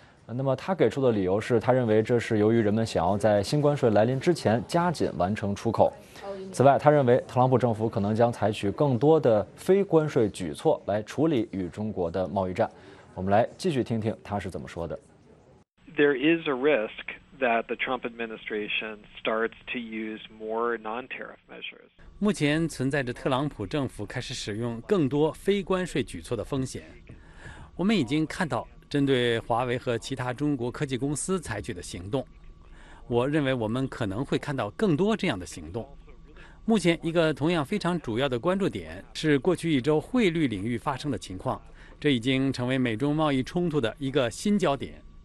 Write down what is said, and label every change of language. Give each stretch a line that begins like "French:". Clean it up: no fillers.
Chinese: 那么他给出的理由是，他认为这是由于人们想要在新关税来临之前加紧完成出口。此外，他认为特朗普政府可能将采取更多的非关税举措来处理与中国的贸易战。我们来继续听听他是怎么说的。
English: There is a risk that the Trump administration starts to use more non-tariff measures.
Chinese: 目前存在着特朗普政府开始使用更多非关税举措的风险。我们已经看到针对华为和其他中国科技公司采取的行动，我认为我们可能会看到更多这样的行动。目前一个同样非常主要的关注点是过去一周汇率领域发生的情况，这已经成为美中贸易冲突的一个新焦点。